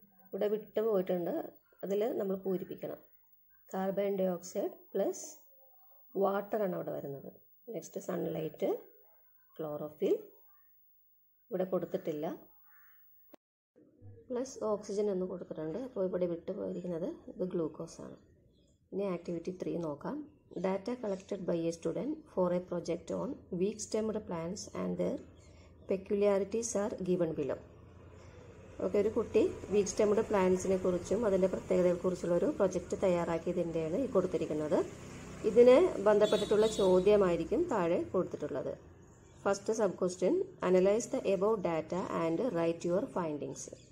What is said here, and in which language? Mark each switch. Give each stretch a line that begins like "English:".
Malayalam: ഇവിടെ വിട്ട് പോയിട്ടുണ്ട്, അതിൽ നമ്മൾ പൂരിപ്പിക്കണം. കാർബൺ ഡയോക്സൈഡ് പ്ലസ് വാട്ടറാണ് അവിടെ വരുന്നത്. നെക്സ്റ്റ്, സൺലൈറ്റ്, ക്ലോറോഫിൽ ഇവിടെ കൊടുത്തിട്ടില്ല, പ്ലസ് ഓക്സിജൻ എന്ന് കൊടുത്തിട്ടുണ്ട്. അപ്പോൾ ഇവിടെ വിട്ടുപോയിരിക്കുന്നത് ഇത് ഗ്ലൂക്കോസാണ്. ഇനി ആക്ടിവിറ്റി 3 നോക്കാം.
English: Data collected by a student for a project on weak-stemmed plants and their peculiarities are given below.
Malayalam: Okay ഒരു കുട്ടി വീക്ക് സ്റ്റെംഡ് പ്ലാന്റ്സിനെ കുറിച്ചും അതിൻ്റെ പ്രത്യേകതകളെക്കുറിച്ചുള്ള ഒരു പ്രൊജക്റ്റ് തയ്യാറാക്കിയതിൻ്റെയാണ് ഈ കൊടുത്തിരിക്കുന്നത്. ഇതിന് ബന്ധപ്പെട്ടിട്ടുള്ള ചോദ്യമായിരിക്കും താഴെ കൊടുത്തിട്ടുള്ളത്.
English: First sub question, analyse the above data and write your findings.